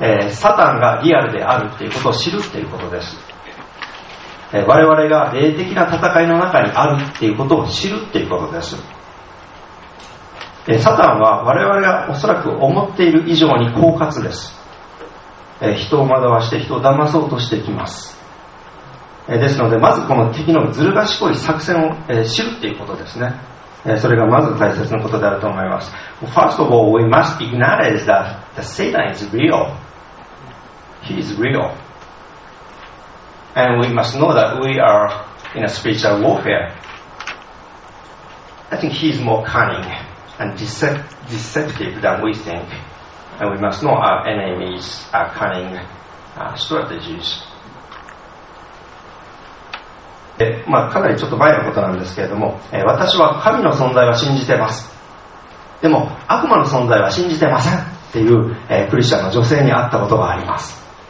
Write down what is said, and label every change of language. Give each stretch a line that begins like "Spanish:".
Japanese: サタンがリアルであるということを知るということです、我々が霊的な戦いの中にあるということを知るということです、サタンは我々がおそらく思っている以上に狡猾です、人を惑わして人を騙そうとしてきます、ですのでまずこの敵のずる賢い作戦を、知るということですね、それがまず大切なことであると思います。
English: First of all, we must acknowledge that the Satan is real. He is real. And we must know that we are in a spiritual warfare. I think he is more cunning and deceptive than we think. And we must know our enemies are cunning strategies.
Japanese: まあ、かなりちょっと前のことなんですけれども、私は神の存在は信じてます、でも悪魔の存在は信じてませんっていう、クリスチャンの女性に会ったことがあります。